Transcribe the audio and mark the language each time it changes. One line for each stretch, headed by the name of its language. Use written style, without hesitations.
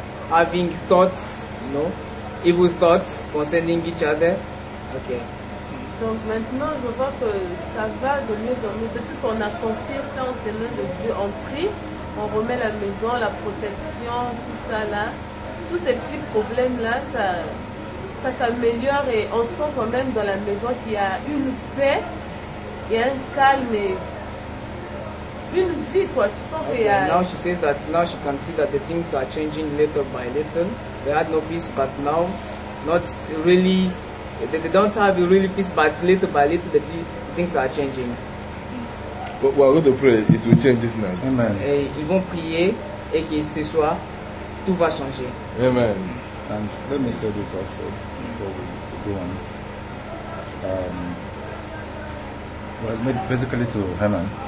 English: having thoughts, you know, evil thoughts concerning each other. Okay.
French: Donc maintenant, je vois que ça va de mieux en mieux. Depuis qu'on a confiance en main de Dieu, on prie, on remet la maison, la protection, tout ça là. Tous ces petits problèmes-là, ça s'améliore et on sent quand même dans la maison qu'il y a une paix et un calme et une vie, quoi. Tu sens qu'il y a...
English: Now she says that now she can see that the things are changing little by little. They had no peace, but now, not really... They don't have really peace, but little by little, the things are changing. But we are going to pray. It will change this night. Amen.
French: Ils vont prier et que ce soir, tout va changer.
English: Amen. And let me say this also before we go on. Maybe basically to Herman.